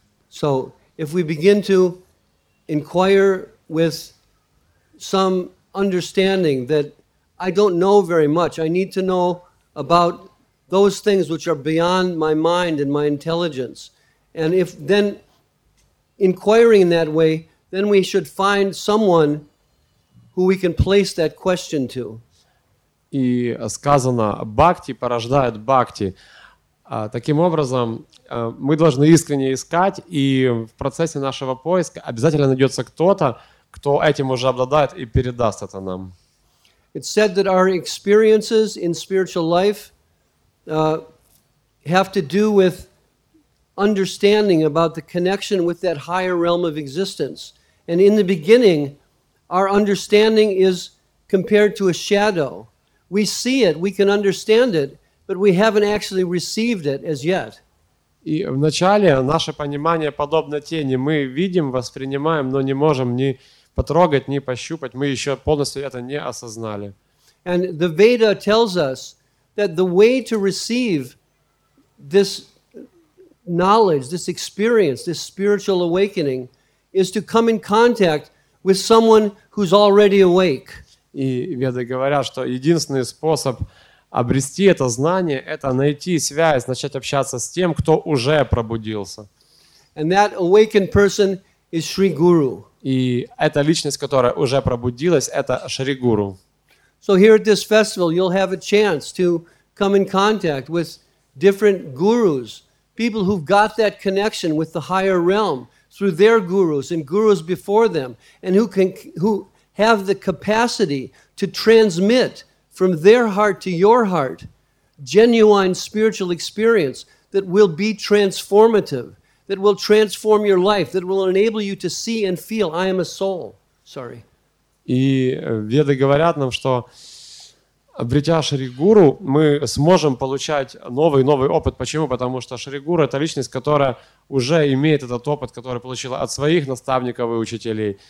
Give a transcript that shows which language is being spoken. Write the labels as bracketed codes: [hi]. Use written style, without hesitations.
[en] So if we begin to inquire with some understanding that I don't know very much, I need to know about those things which are beyond my mind and my intelligence. And if then inquiring in that way, then we should find someone who we can place that question to. [ru] И сказано, бхакти порождает бхакти. Таким образом, мы должны искренне искать, и в процессе нашего поиска обязательно найдется кто-то, кто этим уже обладает и передаст это нам. [en] It said that our experiences in spiritual life have to do with understanding about the connection with that higher realm of existence. And in the beginning, our understanding is compared to a shadow. We see it, we can understand it, but we haven't actually received it as yet. [ru] И вначале наше понимание подобно тени. Мы видим, воспринимаем, но не можем ни потрогать, ни пощупать. Мы еще полностью это не осознали. [en] And the Veda tells us that the way to receive this knowledge, this experience, this spiritual awakening is to come in contact with someone who's already awake. [ru] И веды говорят, что единственный способ обрести это знание – это найти связь, начать общаться с тем, кто уже пробудился. [en] And that awakened person is Shri Guru. [ru] И эта личность, которая уже пробудилась, это Шри Гуру. [en] So here at this festival, you'll have a chance to come in contact with different gurus, people who've got that connection with the higher realm through their gurus and gurus before them, and who have the capacity to transmit from their heart to your heart genuine spiritual experience that will be transformative, that will transform your life, that will enable you to see and feel, I am a soul. Sorry. [ru] И веды говорят нам, что обретя Шри Гуру, мы сможем получать новый опыт. Почему? Потому что Шри Гуру – это личность, которая уже имеет этот опыт, который получила от своих наставников и учителей.